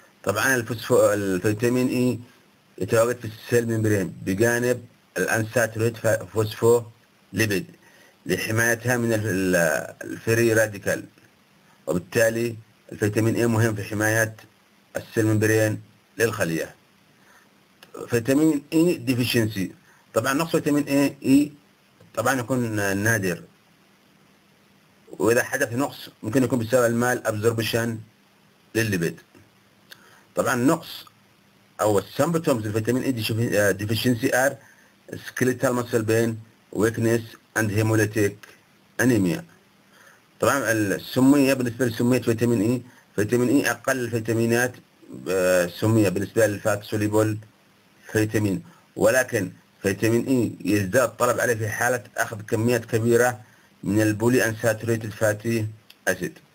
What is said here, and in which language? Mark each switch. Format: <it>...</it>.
<ar>طبعا الفيتامين اي يتواجد في السيل ممبرين بجانب الانساتوريت فوسفو ليبيد لحمايتها من الفري راديكال، وبالتالي الفيتامين اي مهم في حمايه السيل ممبرين للخليه. فيتامين اي ديفيشنسي، طبعا نقص فيتامين اي طبعا يكون نادر، وإذا حدث نقص ممكن يكون بسبب المال absorption للليبيد. طبعا النقص أو</ar> <en>symptoms الفيتامين E deficiency are skeletal muscle pain, weakness and hemolytic anemia.</en> <ar>طبعا السمية بالنسبة لسمية فيتامين اي، فيتامين اي أقل الفيتامينات سمية بالنسبة للفات سوليبل فيتامين، ولكن فيتامين اي يزداد طلب عليه في حالة أخذ كميات كبيرة من البولي انساتوريتد فاتي اسيد.</ar>